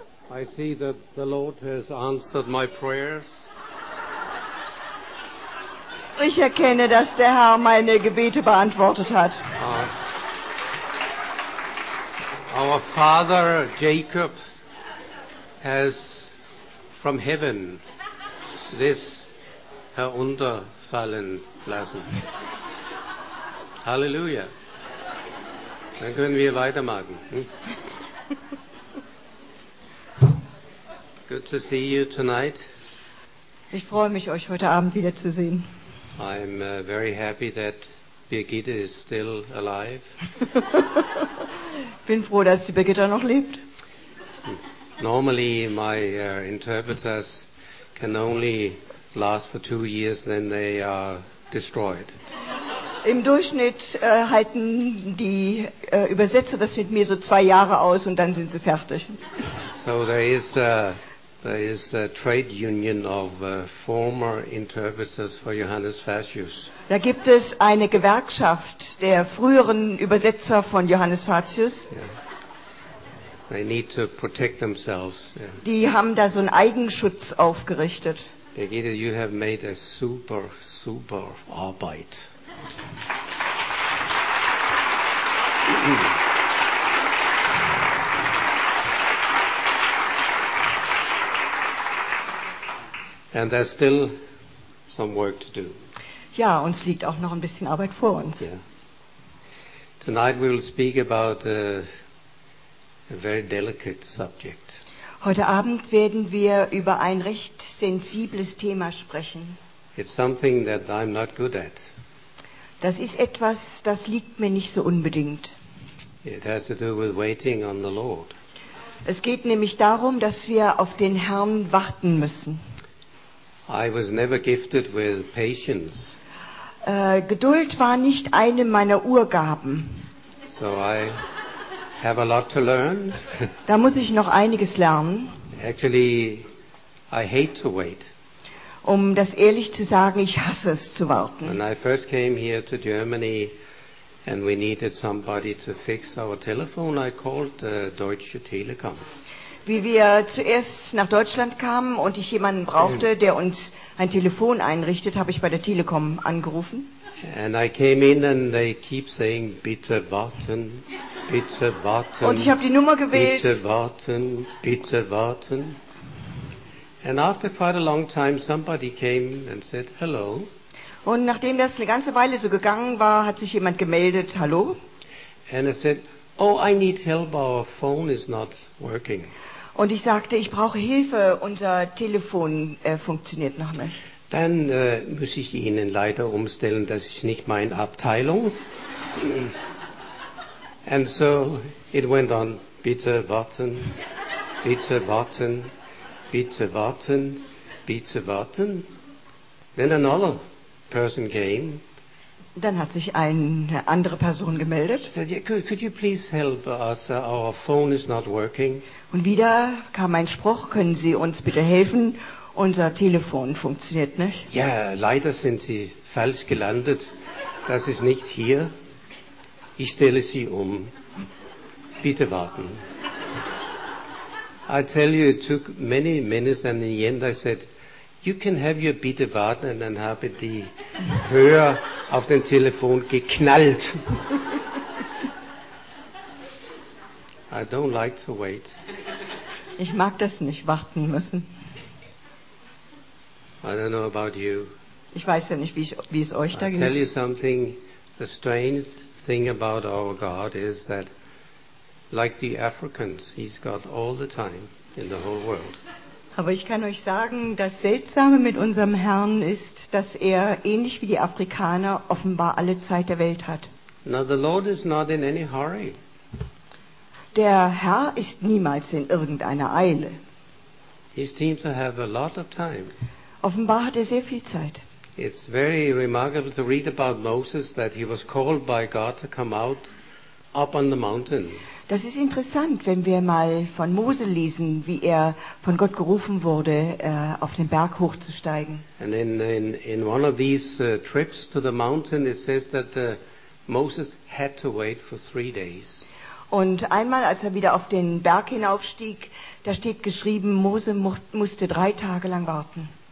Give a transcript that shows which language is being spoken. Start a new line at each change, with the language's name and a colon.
English: I see that the Lord has answered my prayers.
German: Ich erkenne, dass der Herr meine Gebete beantwortet hat.
English: Our father Jacob has from heaven this
German: herunterfallen lassen. Halleluja. Dann können wir weitermachen.
English: Good to see you tonight.
German: Ich freue mich, euch heute Abend wiederzusehen.
English: I'm very happy that Birgitte is still alive.
German: Bin froh, dass die Birgitta noch lebt.
English: Normally my interpreters can only last for 2 years, then they are destroyed.
German: Im Durchschnitt halten die Übersetzer das mit mir so 2 Jahre aus und dann sind sie fertig.
English: So there is a trade union of former interpreters for Johannes Fasius.
German: Da gibt es eine Gewerkschaft der früheren Übersetzer von Johannes Fasius.
English: Yeah. They need to protect themselves. Yeah.
German: Die haben da so einen Eigenschutz aufgerichtet.
English: Birgitte, you have made a super, super
German: Arbeit.
English: And there's still some work to do.
German: Ja, uns liegt auch noch ein bisschen Arbeit vor uns.
English: Yeah. Tonight we will speak about a very delicate subject.
German: Heute Abend werden wir über ein recht sensibles Thema sprechen.
English: It's something that I'm not good at.
German: Das ist etwas, das liegt mir nicht so unbedingt.
English: It has to do with waiting on the Lord.
German: Es geht nämlich darum, dass wir auf den Herrn warten müssen.
English: I was never gifted with patience.
German: Geduld war nicht eine meiner Urgaben.
English: So I have a lot to learn.
German: Da muss ich noch einiges lernen.
English: Actually, I hate to wait.
German: Um das ehrlich zu sagen, ich hasse es zu warten.
English: When I first came here to Germany and we needed somebody to fix our telephone, I called the Deutsche Telekom.
German: Wie wir zuerst nach Deutschland kamen und ich jemanden brauchte, der uns ein Telefon einrichtet, habe ich bei der Telekom angerufen.
English: And I came in and they keep saying,
German: bitte warten, bitte warten. Und ich habe die Nummer gewählt. Bitte warten, bitte warten.
English: And after quite a long time, somebody came and said, hello.
German: Und nachdem das eine ganze Weile so gegangen war, hat sich jemand gemeldet, hallo.
English: And I said, oh, I need help, our phone is not working.
German: Und ich sagte, ich brauche Hilfe, unser Telefon funktioniert noch nicht. Dann muss ich Ihnen leider umstellen, das ist nicht meine Abteilung.
English: And so it went on,
German: bitte warten, bitte warten, bitte warten, bitte warten.
English: Then another person came.
German: Dann hat sich eine andere Person gemeldet.
English: She said, yeah, could you please help us, our phone is not working.
German: Und wieder kam ein Spruch, können Sie uns bitte helfen, unser Telefon funktioniert nicht. Ja, yeah, leider sind Sie falsch gelandet, das ist nicht hier. Ich stelle Sie um, bitte warten.
English: I tell you, it took many minutes and in the end I said, you can have your
German: bitte warten, und dann habe die Hörer auf den Telefon geknallt.
English: I don't like to wait.
German: Ich mag das nicht, warten müssen.
English: I don't know about you.
German: Ich weiß ja nicht, wie es euch da geht.
English: I tell you something, the strange thing about our God is that, like the Africans, he's got all the time in the whole world.
German: Aber ich kann euch sagen, das Seltsame mit unserem Herrn ist, dass er, ähnlich wie die Afrikaner, offenbar alle Zeit der Welt hat.
English: Now the Lord is not in any hurry.
German: Der Herr ist niemals in irgendeiner Eile.
English: He seems to have a lot of time.
German: Offenbar hat er sehr viel Zeit.
English: It's very remarkable to read about Moses that he was called by God to come out up on the mountain.
German: Das ist interessant, wenn wir mal von Mose lesen, wie er von Gott gerufen wurde, auf den Berg hochzusteigen.
English: And in one of these trips to the mountain, it says that Moses had to wait for 3 days.
German: Und einmal, als er wieder auf den Berg hinaufstieg, da steht geschrieben, Mose musste 3 Tage lang warten.